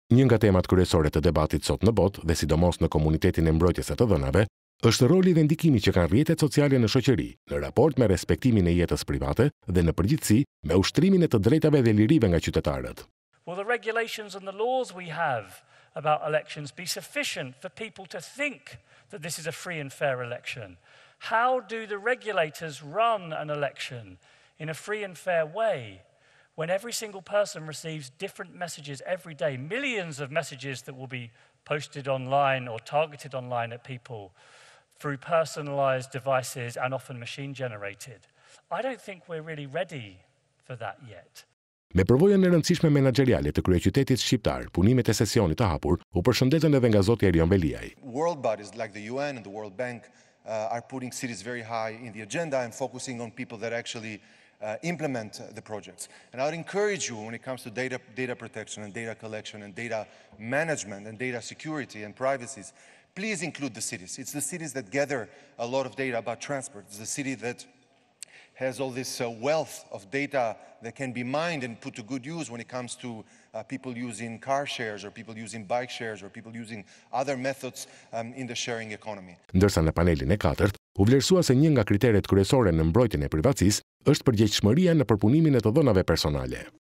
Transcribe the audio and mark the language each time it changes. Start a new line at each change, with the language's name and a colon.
Albanian: Një nga temat kryesore të debatit sot në botë dhe sidomos në komunitetin e mbrojtjes së të dhënave, është roli dhe ndikimi që kanë rrjetet sociale në shoqëri, në raport me respektimin e jetës private dhe në përgjithësi me ushtrimin e të drejtave dhe lirive nga qytetarët.
English: Will the regulations and the laws we have about elections be sufficient for people to think that this is a free and fair election? How do the regulators run an election in a free and fair way? When every single person receives different messages every day, millions of messages that will be posted online or targeted online at people through personalized devices and often machine generated. I don't think we're really ready for that yet.
Albanian: Me përvojën e rëndësishme menaxheriale të kryeqytetit shqiptar, punimet e sesionit të hapur u përshëndetën edhe nga Zoti Erion Veliaj.
English: World bodies like the UN and the World Bank are putting cities very high in the agenda and focusing on people that actually implement the projects. And I would encourage you when it comes to data protection and data collection and data management and data security and privacy, please include the cities. It's the cities that gather a lot of data about transport. It's the city that has all this wealth of data that can be mined and put to good use when it comes to people using car shares or people using bike shares or people using other methods in the sharing economy.
Albanian: Ndërsa në panelin e katërt, u vlerësua se një nga kriteret kryesore në mbrojtjen e privatësisë është përgjegjshmëria në përpunimin e të dhënave personale.